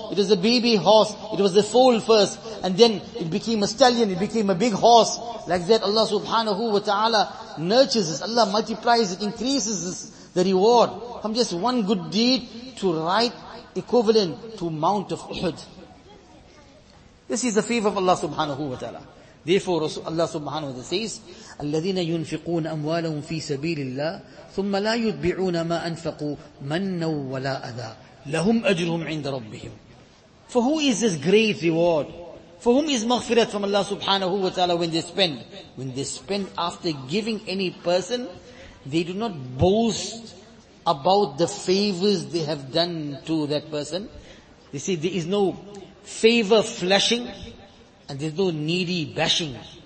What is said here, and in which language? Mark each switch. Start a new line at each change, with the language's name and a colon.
English: It is a baby horse. It was a foal first. And then it became a stallion. It became a big horse. Like that Allah subhanahu wa ta'ala nurtures this. Allah multiplies it, increases this, the reward. From just one good deed to right equivalent to Mount of Uhud. This is the favor of Allah subhanahu wa ta'ala. Therefore, Allah subhanahu wa ta'ala says,
Arabic: الَّذِينَ يُنْفِقُونَ أَمْوَالَهُمْ فِي سَبِيلِ اللَّهِ ثُمَّ لَا يُتْبِعُونَ مَا أَنْفَقُوا مَنَّوا وَلَا أَذَى لَهُمْ أَجْرُهُمْ عِنْدَ رَبِّهِمْ.
English: For who is this great reward? For whom is maghfirat from Allah subhanahu wa ta'ala when they spend? When they spend after giving any person, they do not boast about the favors they have done to that person. They say there is no favor flashing, and there's no needy bashing.